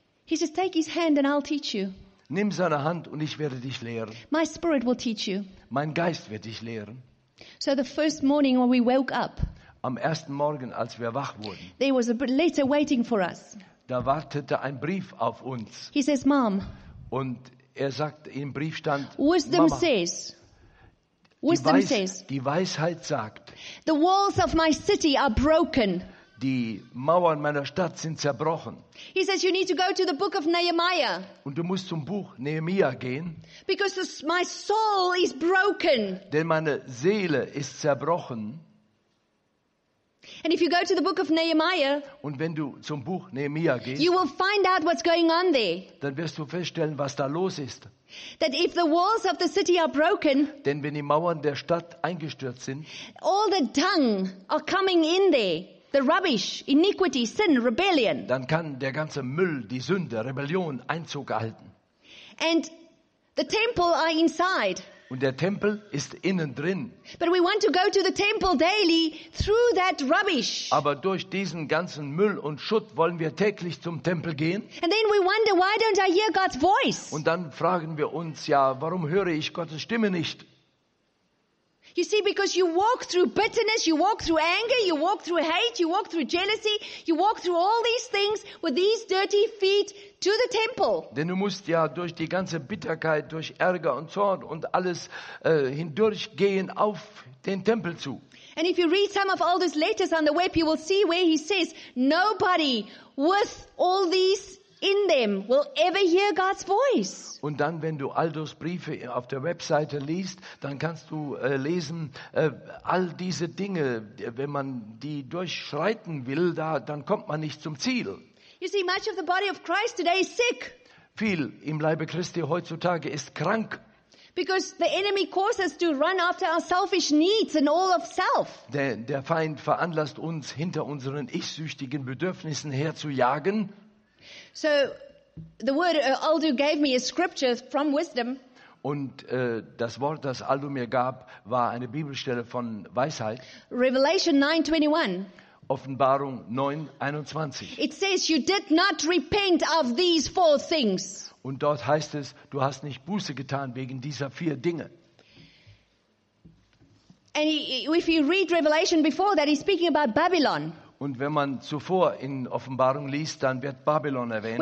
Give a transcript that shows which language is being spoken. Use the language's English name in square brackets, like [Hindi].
[English] He says, take his hand and I'll teach you. [German] Nimm seine Hand und ich werde dich lehren. [English] My spirit will teach you. [German] Mein Geist wird dich lehren. [English] So the first morning when we woke up. [German] Am ersten Morgen, als wir wach wurden. [English] There was a letter waiting for us. [German] Da wartete ein Brief auf uns. [English] He says, Mom. [German] Und er sagt, im Brief stand, [English] Wisdom [German] Mama, [English] says. Wisdom says. [German] Die Weisheit sagt. [English] The walls of my city are broken. [German] Die Mauern meiner Stadt sind zerbrochen. [English] He says, you need to go to the book of Nehemiah. [German] Und du musst zum Buch Nehemiah gehen. [English] Because my soul is broken. [German] Denn meine Seele ist zerbrochen. [English] And if you go to the book of Nehemiah, [German] und wenn du zum Buch Nehemiah gehst, [English] you will find out what's going on there. [German] Dann wirst du feststellen, was da los ist. [English] That if the walls of the city are broken, [German] denn wenn die Mauern der Stadt eingestürzt sind, [English] all the dung are coming in there. The rubbish, iniquity, sin, rebellion. [German] Dann kann der ganze Müll, die Sünde, Rebellion Einzug erhalten. [English] And the temple are inside. [German] Und der Tempel ist innen drin. [English] But we want to go to the temple daily through that rubbish. [German] Aber durch diesen ganzen Müll und Schutt wollen wir täglich zum Tempel gehen. [English] And then we wonder, why don't I hear God's voice? [German] Und dann fragen wir uns, ja, warum höre ich Gottes Stimme nicht? [English] You see, because you walk through bitterness, you walk through anger, you walk through hate, you walk through jealousy, you walk through all these things with these dirty feet to the temple. [German] Denn du musst ja durch die ganze Bitterkeit, durch Ärger und Zorn und alles hindurchgehen auf den Tempel zu. [English] And if you read some of all those letters on the web, you will see where he says, nobody with all these in them will ever hear God's voice. [German] Und dann, wenn du [English] all those [German] Briefe auf der Webseite liest, dann kannst du lesen, all diese Dinge, wenn man die durchschreiten will, da, dann kommt man nicht zum Ziel. [English] You see, much of the body of Christ today is sick. [German] Viel im Leibe Christi heutzutage ist krank. [English] Because the enemy causes us to run after our selfish needs and all of self. [German] Der Feind veranlasst uns, hinter unseren ichsüchtigen Bedürfnissen herzujagen. [English] So the word Aldo gave me is scripture from wisdom. [German] Und das Wort, das Aldo mir gab, war eine Bibelstelle von Weisheit. [English] Revelation 9:21. [German] Offenbarung 9:21. [English] It says you did not repent of these four things. [German] Und dort heißt es, du hast nicht Buße getan wegen dieser vier Dinge. [English] And if you read Revelation before that, he's speaking about Babylon. [German] Und wenn man zuvor in Offenbarung liest, dann wird Babylon erwähnt.